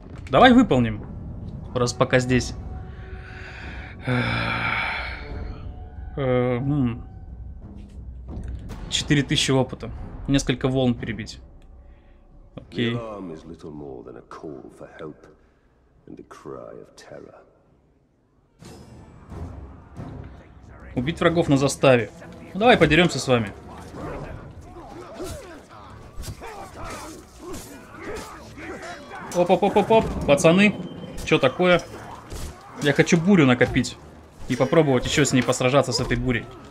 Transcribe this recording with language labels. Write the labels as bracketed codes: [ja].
[ru] Давай выполним, раз пока здесь. Четыре тысячи опыта. Несколько волн перебить. Окей. [en] Alarm is little more than a call for help and a cry of terror. [ru] Убить врагов на заставе. Ну, давай подеремся с вами. Оп-оп-оп-оп-оп, пацаны, что такое? Я хочу бурю накопить и попробовать еще с ней посражаться, с этой бурей.